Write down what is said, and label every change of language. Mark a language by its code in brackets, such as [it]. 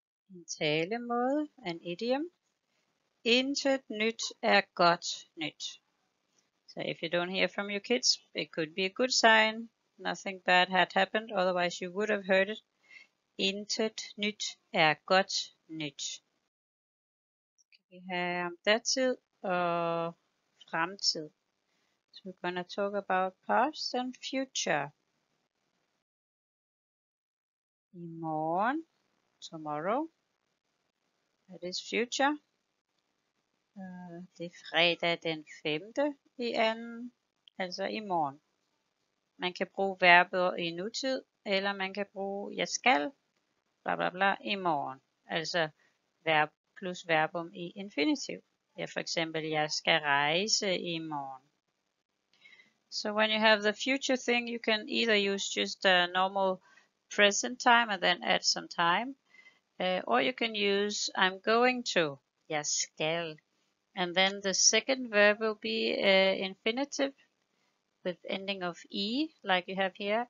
[da] En talemåde, [en] an idiom. [da] Intet nyt er godt nyt. [en] So if you don't hear from your kids, it could be a good sign. Nothing bad had happened, otherwise you would have heard it. [da] Intet nyt er godt nyt. Skal vi have om datid og fremtid. [en] So we're gonna talk about past and future. [da] I morgen, [en] tomorrow. That is future. [da] Det er fredag den 5. i anden, altså i morgen. Man kan bruge verbet i nutid, eller man kan bruge jeg skal, bla bla bla, i morgen. Altså verb plus verbum i infinitiv. Ja, for eksempel, jeg skal rejse i morgen. [en] So when you have the future thing, you can either use just a normal present time and then add some time. Or you can use, I'm going to, [da] jeg skal, [en] And then the second verb will be infinitive with ending of e, like you have here.